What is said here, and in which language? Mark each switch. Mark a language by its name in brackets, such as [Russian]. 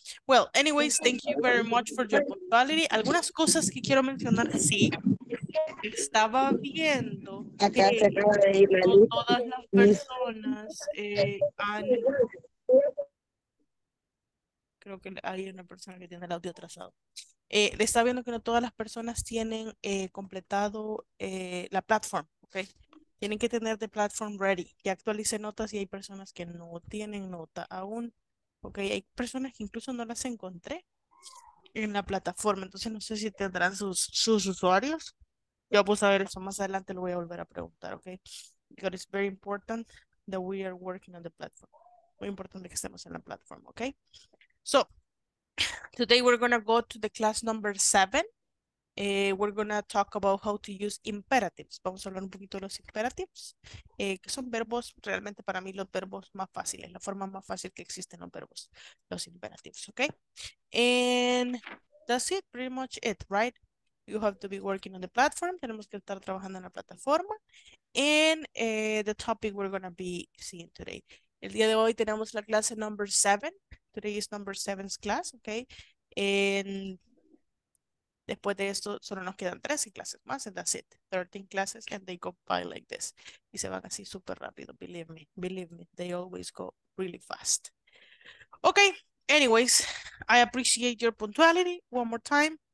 [English] Well, anyways, thank you very much for your punctuality. [Spanish] Algunas cosas que quiero mencionar, sí. Estaba viendo que no todas las personas han. Creo que hay una persona que tiene el audio atrasado. Está viendo que no todas las personas tienen completado la plataforma, ¿okay? Tienen que tener [English] the platform ready, [Spanish] que actualice notas y hay personas que no tienen nota aún, ¿okay? Hay personas que incluso no las encontré en la plataforma, entonces no sé si tendrán sus usuarios. Yo pues a ver eso más adelante lo voy a volver a preguntar, ¿ok? [English] Because it's very important that we are working on the platform. [Spanish] Muy importante que estemos en la plataforma, ¿ok? [English] So, today we're going to go to the class number 7. We're going to talk about how to use imperatives. [Spanish] Vamos a hablar un poquito de los imperatives, que son verbos, realmente para mí los verbos más fáciles, la forma más fácil que existen los verbos, los imperatives, ¿okay? [English] And that's it, pretty much it, right? You have to be working on the platform. [Spanish] Tenemos que estar trabajando en la plataforma. [English] And the topic we're going to be seeing today. [Spanish] El día de hoy tenemos la clase [English] number 7. Today is number 7's class, okay? And [Spanish] después de esto, solo nos quedan 13 clases más. [English] And that's it. 13 classes, and they go by like this. [Spanish] Y se van así súper rápido. [English] Believe me. They always go really fast. Okay, anyways, I appreciate your punctuality. One more time.